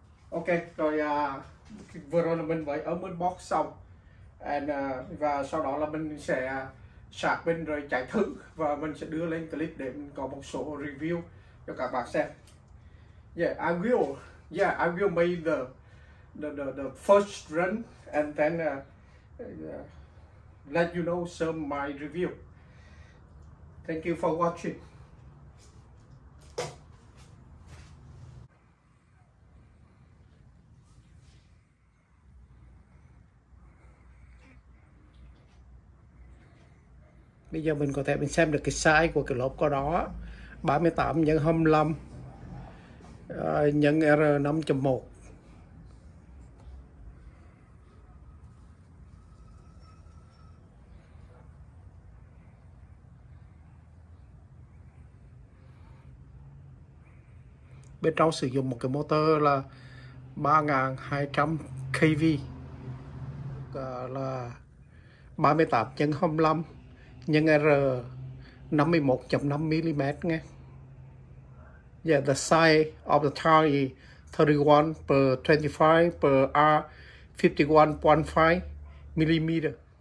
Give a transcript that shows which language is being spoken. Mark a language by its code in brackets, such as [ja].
[vi] Ok, rồi vừa rồi là mình với unbox xong. Và sau đó là mình sẽ sạc pin rồi chạy thử và mình sẽ đưa lên clip để mình có một số review cho các bạn xem. [en] Yeah, I will make the first run and then let you know some my review. Thank you for watching. [vi] Bây giờ mình có thể mình xem được cái size của cái lốp có đó, 38 x 25 nhân R5.1. Bên trong sử dụng một cái motor là 3200 kV, là 38 x 25 nhân R51.5 mm nghe. [en] Yeah, the size of the tire is 31/25/R51.5 mm.